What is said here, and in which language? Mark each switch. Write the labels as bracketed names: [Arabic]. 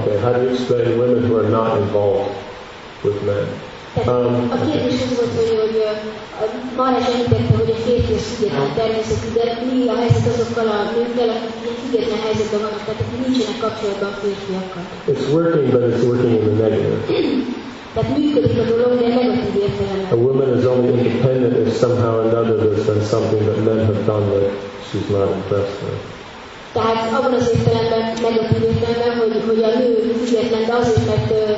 [English] Okay, how do you explain women who are not involved with men? [Hungarian] A kérdés az volt, hogy már is említettem, hogy a férfihez független természetű, de mi a helyzet azokkal a nőkkel, akik független helyzetben vannak, tehát akik nincsenek kapcsolatban a férfiakkal. [English] It's working, but it's working in the negative. [Hungarian] Tehát működik a dolog, de negatív értelemben. [English] A woman is only independent if somehow or another there's been something that men have done that she's not impressed with. [Hungarian] Tehát abban az értelemben negatív értelemben, hogy a nő független, de azért, mert